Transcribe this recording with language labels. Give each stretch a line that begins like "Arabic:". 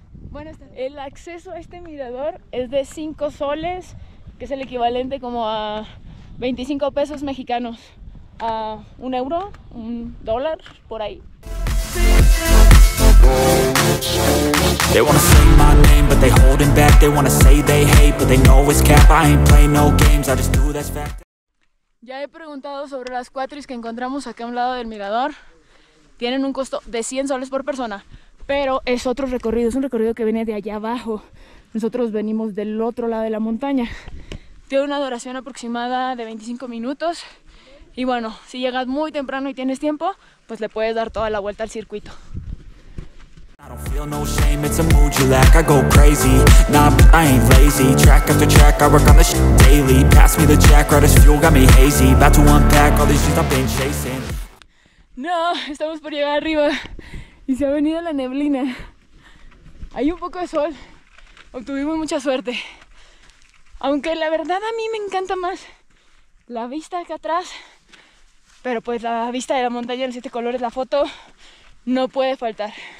Spanish: Bueno, el acceso a este mirador es de 5 soles, que es el equivalente como a 25 pesos mexicanos, a un euro, un dólar, por ahí.
English: They wanna say my name, but they holding back. They wanna say they hate, but they know it's cap. I ain't play no games, I just do that's fact.
Spanish: Ya he preguntado sobre las cuatris que encontramos acá a un lado del mirador. Tienen un costo de 100 soles por persona, pero es otro recorrido, es un recorrido que viene de allá abajo. Nosotros venimos del otro lado de la montaña. Tiene una duración aproximada de 25 minutos. Y bueno, si llegas muy temprano y tienes tiempo, pues le puedes dar toda la vuelta al circuito.
English: I don't feel no shame, it's a mood you lack. I go crazy, nah, but I ain't lazy. Track after track, I work on this shit daily. Pass me the jack, right as fuel, got me hazy. About to unpack all these shit I've been chasing.
Spanish: No, estamos por llegar arriba. Y se ha venido la neblina. Hay un poco de sol. Obtuvimos mucha suerte. Aunque la verdad a mí me encanta más la vista acá atrás. Pero pues la vista de la montaña en siete colores, la foto no puede faltar.